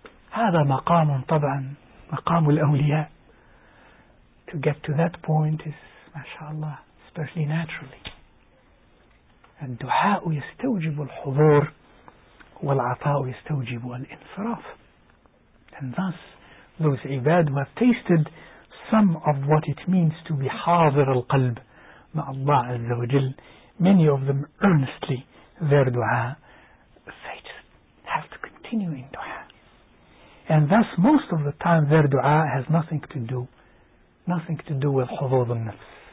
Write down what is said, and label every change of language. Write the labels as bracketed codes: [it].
[ar] هذا مقام طبعا مقام الأولياء. [en] To get to that point is, mashallah, especially naturally. [ar] الدعاء يستوجب الحضور والعطاء يستوجب الانصراف. [en] And thus, those ibad who have tasted some of what it means to be [ar] حاضر القلب مع الله عز وجل, [en] many of them earnestly their دعاء, they just have to continue in دعاء. And thus, most of the time, their dua has nothing to do with [ar] حضوظ النفس.